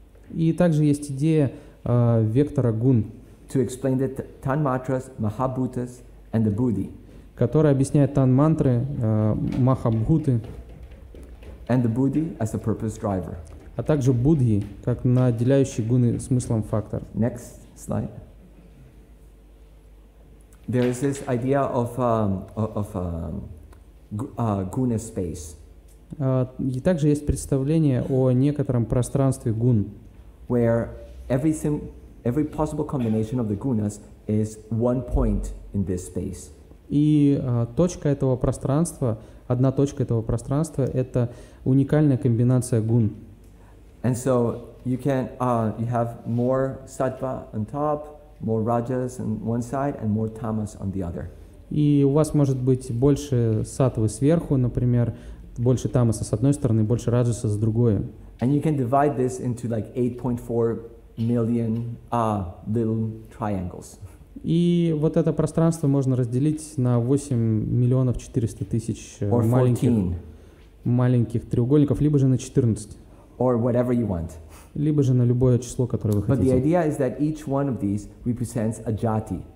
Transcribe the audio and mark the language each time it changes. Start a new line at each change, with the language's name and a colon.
Russian: И также есть идея вектора гун,
English: to explain the tanmatras, mahabhutas, and the buddhi,
Russian: которая объясняет танмантры, махабхуты,
English: and the buddhi as a purpose driver,
Russian: а также буддхи как наделяющий гуны смыслом фактор.
English: Next slide. There is this idea of guna space.
Russian: И также есть представление о некотором пространстве гун.
English: Where every possible combination of the gunas is one point in this space.
Russian: И точка этого пространства, одна точка этого пространства, это уникальная комбинация гун.
English: And so you can you have more sattva on top, more rajas on one side, and more tamas on the other.
Russian: И у вас может быть больше сатвы сверху, например, больше тамаса с одной стороны, больше раджаса с другой.
English: And you can divide this into like 8.4 million little triangles.
Russian: И вот это пространство можно разделить на 8 400 000 маленьких треугольников, либо же на 14.
English: Or whatever you want.
Russian: Либо же на любое число, которое вы
English: But
Russian: хотите.
English: But the idea is that each one of these represents a jati.